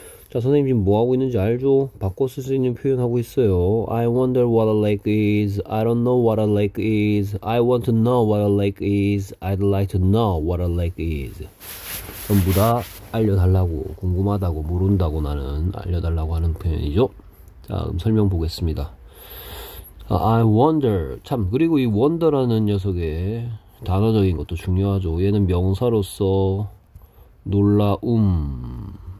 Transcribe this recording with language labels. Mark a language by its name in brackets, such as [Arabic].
[Korean] 자, 선생님 지금 뭐 하고 있는지 알죠? 바꿔 쓸수 있는 표현하고 있어요. [English] I wonder what a lake is. I don't know what a lake is. I want to know what a lake is. I'd like to know what a lake is. [Korean] 전부 다 알려달라고, 궁금하다고, 모른다고 나는 알려달라고 하는 표현이죠. 자, 그럼 설명 보겠습니다. [English] I wonder. [Korean] 참, 그리고 이 wonder라는 녀석의 단어적인 것도 중요하죠. 얘는 명사로서 놀라움.